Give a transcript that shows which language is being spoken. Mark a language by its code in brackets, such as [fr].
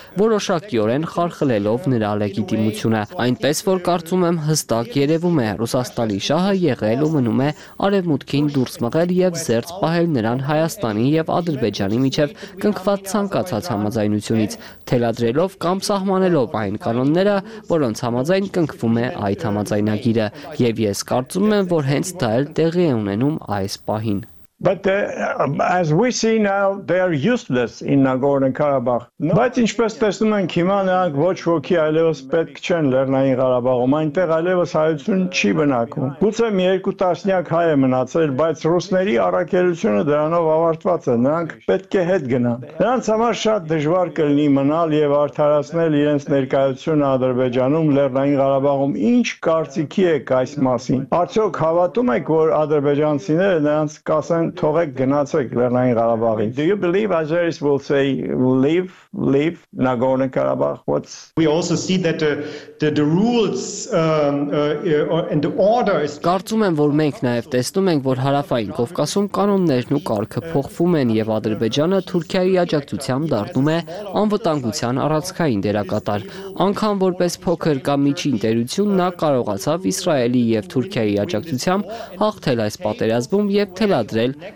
[hy] որոշակիորեն խարխլելով նրա լեգիտիմությունը, այնպես որ կարծում եմ, հստակ երևում է, Ռուսաստանի շահը եղել ու մնում է արևմուտքին դուրս մղել եւ զերծ պահել նրան Հայաստանի եւ Ադրբեջանի միջև կնքված ցանկացած համաձայնությունից, թելադրելով կամ սահմանելով այն կանոնները, որոնց համաձայն կնքվում է այդ համաձայնագիրը, եւ ես կարծում եմ, որ հենց դա էլ տեղի է ունենում այս պահին։ [en] But as we see now, they are useless in Nagorno-Karabakh. [hy] Բայց ինչպես տեսնում ենք հիմա, նրանք ոչ ոքի այլևս պետք չեն Լեռնային Ղարաբաղում, այնտեղ այլևս հայություն չի բնակվում։ Գուցե մի երկու տասնյակ հայ է մնացել, բայց ռուսների առաքելությունը դրանով ավարտված է, նրանք պետք է հետ գնան։ Նրանց համար շատ դժվար կլինի մնալ եւ արդարացնել իրենց ներկայությունը Ադրբեջանում Լեռնային Ղարաբաղում։ Ինչ կարծիքի եք այս մասին։ Արդյոք հավատո՞ւմ եք, որ ադրբեջանցիները նրանց կաս թողեք գնացեք Լեռնային Ղարաբաղին։ [en] Do you believe Azeris will say leave Nagorno-Karabakh? We also see that the rules and the order is [hy] Կարծում եմ, որ մենք նաև տեսնում ենք, որ հարավային Կովկասում կանոններն ու կարգը փոխվում են եւ Ադրբեջանը Թուրքիայի աջակցությամբ դառնում է անվտանգության առաջնային դերակատար։ Անկամ որպես փոքր կամ միջին ներդրություն նա կարողացավ Իսրայելի եւ Թուրքիայի աջակցությամբ հաղթել այս պատերազմում եւ թելադրել